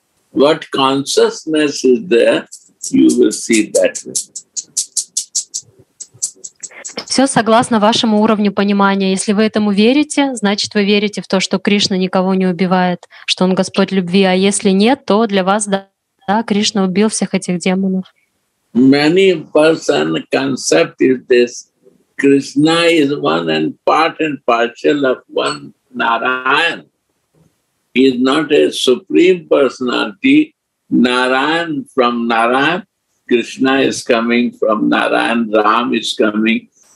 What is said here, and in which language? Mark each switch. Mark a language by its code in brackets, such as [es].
[en] What consciousness is there, you will see that. [ru] Все согласно вашему уровню понимания. Если вы этому верите, значит, вы верите в то, что Кришна никого не убивает, что Он Господь любви. А если нет, то для вас, да, да, Кришна убил всех этих демонов. [en] Many person concept is this. Krishna is one and part and partial of one Narayan. He is not a supreme personality. Narayan from Narayan. Krishna is coming from Narayan. Ram is coming.